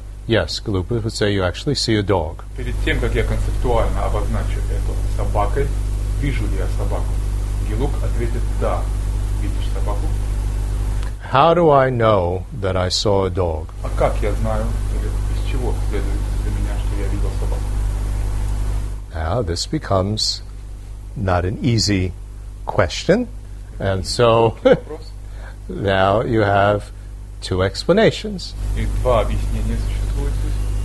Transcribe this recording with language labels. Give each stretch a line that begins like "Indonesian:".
English: Yes, Galupa would say you actually see a dog.
Russian: Перед тем, как я концептуально обозначу это собакой, вижу ли я собаку? Гелуг ответит да. Видишь собаку?
English: How do I know that I saw a dog?
Russian: А как я знаю, или из чего следует для меня, что я видел собаку?
English: Now, this becomes not an easy question. And so, now you have two explanations.
Russian: И два объяснения существуют здесь.